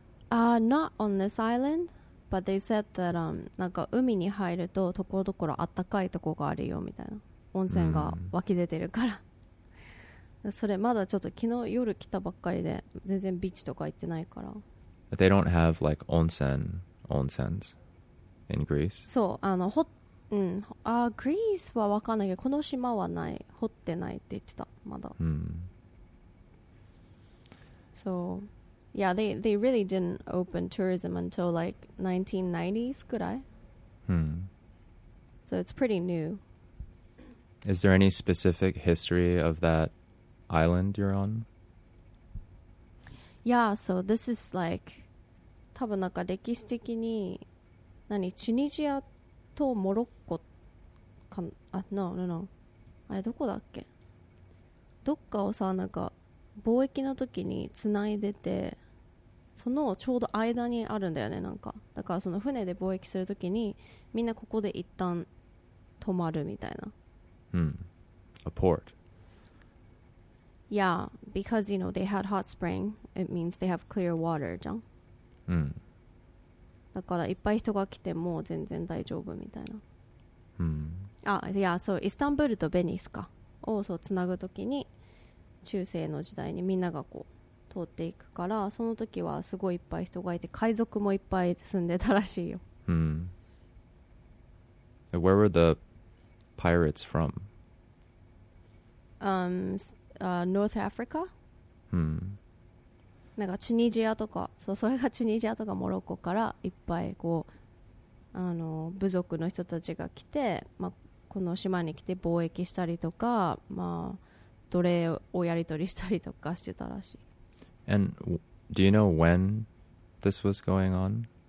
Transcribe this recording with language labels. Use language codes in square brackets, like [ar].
[en] Not on this island. But they said that, [ja] なんか海に入るとところどころあったかいとこがあるよみたいな、温泉が湧き出てるから、それまだちょっと昨日夜来たばっかりで全然ビーチとか行ってないから。 [en] But they don't have like onsens in Greece. [ja] そう、あのほ、うん、あ、グリースは分かんないけど、この島はない、掘ってないって言ってたまだ。 [en] So. Yeah, they really didn't open tourism until like 1990s [ja] くらい. [en] So it's pretty new. Is there any specific history of that island you're on? Yeah, so this is like [ja] 多分なんか歴史的に何、チュニジアとモロッコかあ、 [en] no, no, no. [ja] あれどこだっけ、どっかをさ、なんか貿易の時につないでて、そのちょうど間にあるんだよね、なんか。だからその船で貿易するときにみんなここで一旦泊まるみたいな。 [en] A port. Yeah, because you know they had hot spring, it means they have clear water, [ja] じゃん。だからいっぱい人が来ても全然大丈夫みたいな。 [en] Yeah, so [ja] Istanbul とベニスかをそうつなぐときに、中世の時代にみんながこう。通っていくから、その時はすごいいっぱい人がいて、海賊もいっぱい住んでたらしいよ。 [en] Where were the pirates from? North Africa? [ja] なんかチュニジアとか、そう、それがチュニジアとかモロッコからいっぱいこう、あの部族の人たちが来て、まあ、この島に来て貿易したりとか、まあ、奴隷をやり取りしたりとかしてたらしい。 [en] And do you know when this was going on?